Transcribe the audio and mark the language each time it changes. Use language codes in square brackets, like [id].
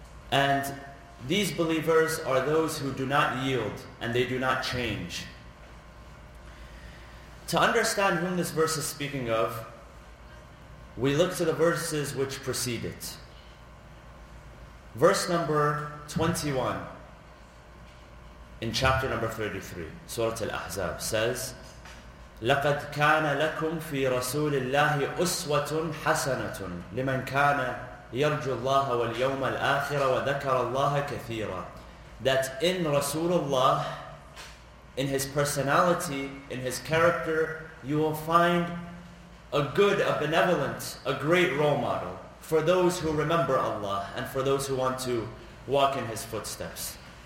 [en] And these believers are those who do not yield and they do not change. To understand whom this verse is speaking of, we look to the verses which precede it. Verse number 21 in chapter number 33, Surah Al-Ahzab, says, [ar] لَقَدْ كَانَ لَكُمْ فِي رَسُولِ اللَّهِ أُسْوَةٌ حَسَنَةٌ لِمَنْ كَانَ يَرْجُ اللَّهَ وَالْيَوْمَ الْآخِرَ وَذَكَرَ اللَّهَ كَثِيرًا. [en] That in Rasulullah, in his personality, in his character, you will find a good, a benevolent, a great role model for those who remember Allah and for those who want to walk in His footsteps.